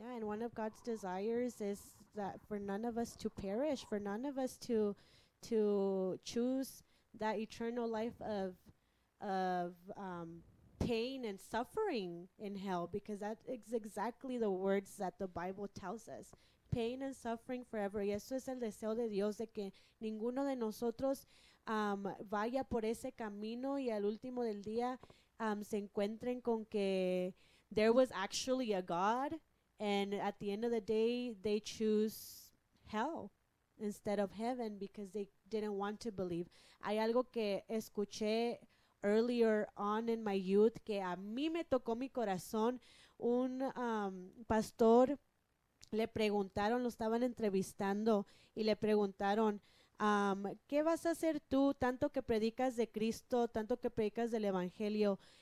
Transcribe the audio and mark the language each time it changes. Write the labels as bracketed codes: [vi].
[en] Yeah, and one of God's desires is that for none of us to perish, for none of us to choose that eternal life of pain and suffering in hell, because that is exactly the words that the Bible tells us. Pain and suffering forever. [es] Y eso es el deseo de Dios, de que ninguno de nosotros vaya por ese camino y al último del día se encuentren con que [en] there was actually a God, and at the end of the day, they choose hell instead of heaven because they didn't want to believe. [es] Hay algo que escuché [en] earlier on in my youth [es] que a mí me tocó mi corazón. Un pastor le preguntaron, lo estaban entrevistando, y le preguntaron, ¿qué vas a hacer tú, tanto que predicas de Cristo, tanto que predicas del Evangelio?